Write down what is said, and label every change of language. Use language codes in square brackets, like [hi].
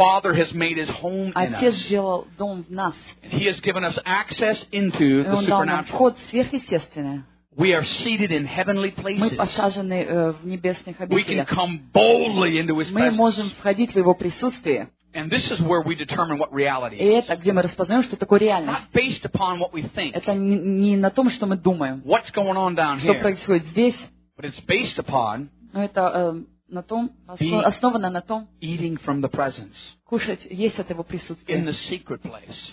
[en] The Father has made His home in us. [ru] Отец сделал дом в нас. [en] And He has given us access into the supernatural. [ru] Он дал нам вход в сверхъестественное. [en] We are seated in heavenly places. [ru] Мы посажены в небесных обителях. [en] We can come boldly into His presence. [ru] Мы можем входить в Его присутствие. [en] And this is where we determine what reality is. [ru] Это где мы распознаем, что такое реальность. [en] Not based upon what we think. [ru] Это не на том, что мы думаем. [en] What's going on down here? [ru] Что происходит здесь? [en] But it's based upon. [ru] Но это на том, основано на том. [en] Eating from the presence. [ru] Кушать, есть от его присутствия. [en] In the secret place.